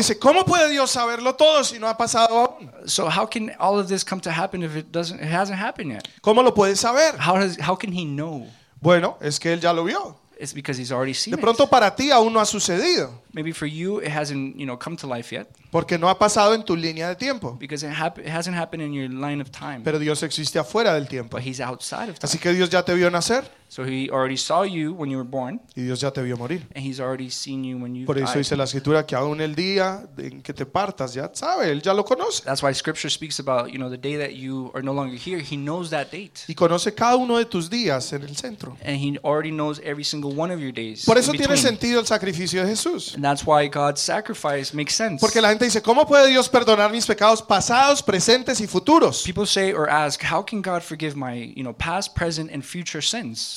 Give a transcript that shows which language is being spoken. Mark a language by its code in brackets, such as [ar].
[es] Dice, ¿cómo puede Dios saberlo todo si no ha pasado aún? [en] So how can all of this come to happen if it hasn't happened yet? [es] ¿Cómo lo puede saber? [en] How can he know? [es] Bueno, es que él ya lo vio. [en] It's because he's already seen [es] it. De pronto para ti aún no ha sucedido. [en] Maybe for you it hasn't, you know, come to life yet. [es] Porque no ha pasado en tu línea de tiempo. [en] Because it hasn't happened in your line of time. [es] Pero Dios existe afuera del tiempo. [en] But he's outside of time. [es] Así que Dios ya te vio nacer. [en] So he already saw you when you were born. [es] Y Dios ya te vio morir. [en] And he's already seen you when you died. [es] Por eso dice la escritura que aún el día en que te partas ya sabe, él ya lo conoce. [en] That's why scripture speaks about, you know, the day that you are no longer here, he knows that date. [es] Y conoce cada uno de tus días en el centro. [en] And he already knows every single one of your days. [es] Por eso tiene sentido el sacrificio de Jesús. [en] And that's why God's sacrifice makes sense. [es] Porque la gente dice, ¿cómo puede Dios perdonar mis pecados pasados, presentes y futuros? [en] People say or ask, how can God forgive my, you know, past, present and future sins?